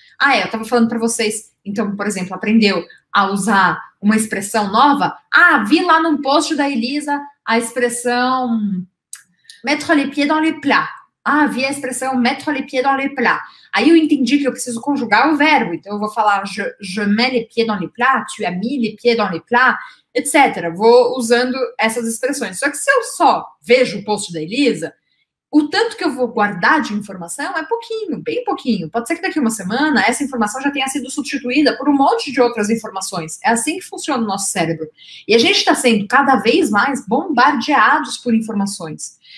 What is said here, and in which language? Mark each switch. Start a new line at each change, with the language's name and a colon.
Portuguese: Ah, eu tava falando para vocês, então, por exemplo, aprendeu a usar uma expressão nova. Ah, vi lá num post da Elisa a expressão
French: mettre les pieds dans les plats.
Portuguese: Ah, vi a expressão
French: mettre les pieds dans les plats.
Portuguese: Aí eu entendi que eu preciso conjugar o verbo. Então eu vou falar
French: je mets les pieds dans les plats, tu as mis les pieds dans les plats, etc.
Portuguese: Vou usando essas expressões. Só que se eu só vejo o post da Elisa, o tanto que eu vou guardar de informação é pouquinho, bem pouquinho. Pode ser que daqui a uma semana essa informação já tenha sido substituída por um monte de outras informações. É assim que funciona o nosso cérebro. E a gente está sendo cada vez mais bombardeados por informações.